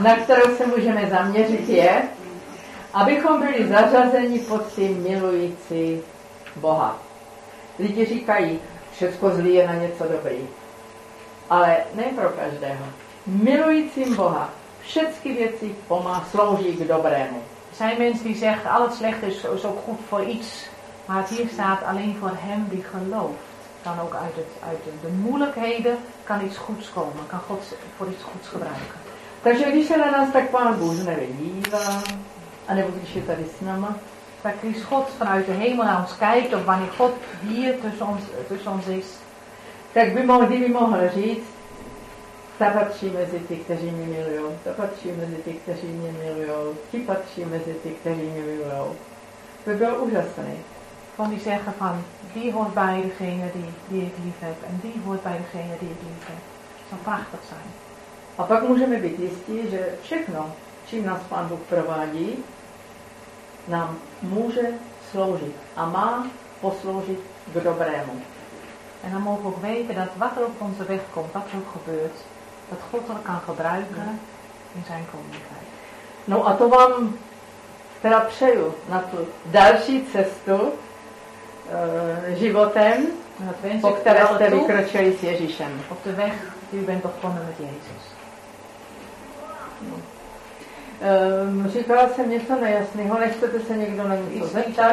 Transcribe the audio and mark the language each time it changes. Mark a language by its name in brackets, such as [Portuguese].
[Czech] na kterou se můžeme zaměřit, je, abychom byli zařazeni pod tím milující Boha. Lidi říkají, všecko zlý je na něco dobrý. Ale ne pro každého. Milujícím Boha všechny věci slouží k dobrému. [Dutch] Zijn mensen die zeggen, alles slecht is ook goed voor iets. Maar het hier staat alleen voor hem die gelooft. Kan ook uit de moeilijkheden kan iets goeds komen, kan God voor iets goeds gebruiken. [Czech] Takže když se na nás tak Pán Bůh nevydívá, anebo když je tady s náma, tak když [Dutch] God vanuit de hemel naar ons kijkt, of wanneer God hier tussen ons is, [Czech] tak by mohl říct, ti patří mezi ty, kteří mě milujou. To bylo úžasné. [Dutch] Van die zeggen van, die hoort bij degene die ik lief heb en die hoort bij degene die ik lief heb. Het zou prachtig zijn. [Czech] A pak můžeme být jistí, že všechno, čím nás Pán Bůh provádí, nám může sloužit a má posloužit k dobrému. [Dutch] En dan mogen we ook weten dat wat er op onze weg komt, wat er ook gebeurt, dat God dat kan gebruiken in zijn koninkrijk. [Czech] No a to vám teda přeju na tu další cestu, životem, po které jste vykročili s Ježíšem. [Dutch] Op de weg die u bent begonnen met Jezus. [Czech] Říkala jsem něco nejasného, nechcete se někdo na něco zeptat?